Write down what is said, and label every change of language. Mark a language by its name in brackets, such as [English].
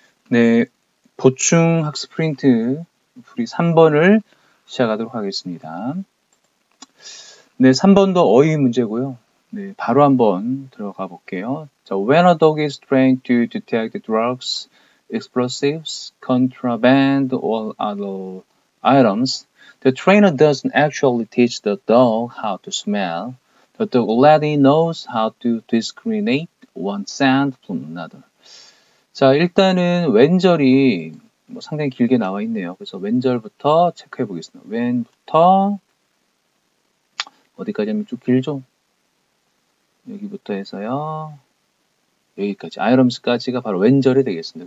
[Korean] 네, 보충 학습 프린트 풀이 3번을 시작하도록 하겠습니다. 네, 3번도 어휘 문제고요. 네, 바로 한번 들어가 볼게요. [English] 자, When a dog is trying to detect drugs, explosives, contraband, or other items, the trainer doesn't actually teach the dog how to smell. The dog already knows how to discriminate one scent from another. [Korean] 자, 일단은 when절이 뭐 상당히 길게 나와 있네요. 그래서 when절부터 체크해 보겠습니다. when부터 어디까지 하면 쭉 길죠? 여기부터 해서요. 여기까지. items까지가 바로 when절이 되겠습니다.